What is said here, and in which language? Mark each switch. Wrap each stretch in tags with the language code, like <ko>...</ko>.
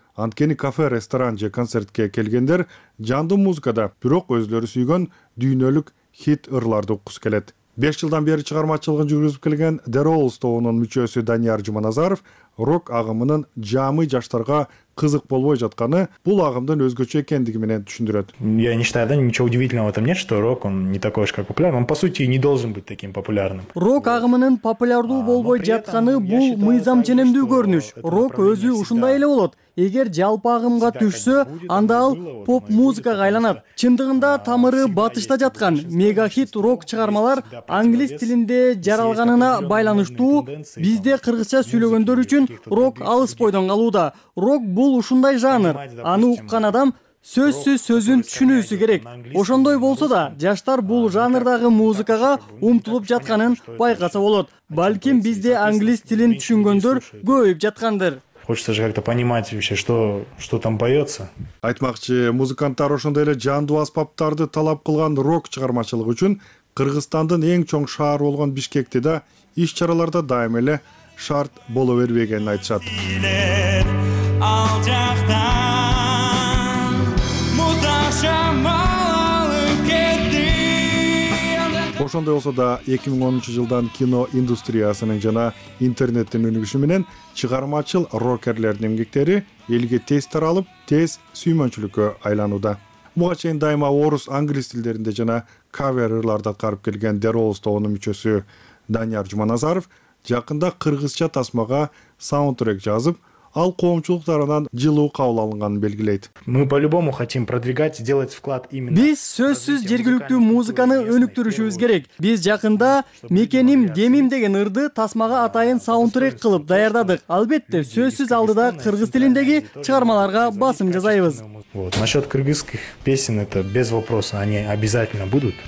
<ky>Анткени кафе, ресторан же концертке келгендер жандуу музыкада, бирок өзлөрү сүйгөн дүйнөлүк хит ырларды уккусу келет. 5 жылдан бери чыгармачылыгын жүргүзүп келген The Rolls тобунун мүчөсү Данияр Жуманазаров рок агымынын жамы жаштарга кызык болбой жатканы бул агымдын өзгөчө экендиги менен түшүндүрөт.</ky> <ru>Я не считаю, да, ничего удивительного в этом нет, что рок, он не такой уж как популярный. Он, по сути, не должен быть таким популярным.</ru> <ky>Рок агымынын популярдуу болбой жатканы бул мыйзам ченемдүү көрүнүш. Рок өзү ушундай эле болот. Эгер жалпы агымга түшсө, анда ал поп-музыкага айланат. Чындыгында тамыры батышта жаткан мегахит рок чыгармалар англис тилинде жаралганына байланыштуу, бизде кыргызча сүйлөгөндөр үчүн рок алыс бойдон калууда. Рок бул ушундай жанр. Аны уккан адам сөзсүз сөзүн түшүнүүсү керек. Ошондой болсо да, жаштар бул жанрдагы музыкага умтулуп жатканын байкаса болот. Балким бизде англис тилин түшүнгөндөр көбөйүп жаткандыр.</ky> <ru>Хочется же как-то понимать вообще, что там поется.</ru> <ky>Айтмакчы, музыканттар ошондой эле жандуу аспаптарды талап кылган рок чыгармачылыгы үчүн Кыргызстандын эң чоң шаары болгон Бишкекте да иш чараларда дайым эле шарт боло бербегенин айтышат. Ошондой болсо да 2010 жылдан кино индустриясынын жана интернеттин өнүгүшү менен чыгармачыл рокерлердин эмгектери элге тез таралып, тез сүймөнчүлүккө айланууда. Буга чейин дайыма орус, англис тилдеринде жана каверларды аткарып келген Дероус тобунун мүчөсү Данияр Жуманазаров жакында кыргызча тасмага саундтрек жазып, ал коомчулук тарабынан жылуу кабыл алынганын белгилейт.</ky> <ru>Мы по-любому хотим продвигать, делать вклад именно.</ru> <ky>Биз сөзсүз жергиликтүү музыканы өнүктүрүшүбүз керек. Биз жакында Мекеним Демим деген ырды тасмага атайын саундтрек кылып даярдадык. Албетте, сөзсүз алдыда кыргыз тилиндеги чыгармаларга басым жасайбыз.</ky> <ru>Вот, насчёт кыргызских песен это без вопроса, они обязательно будут.</ru>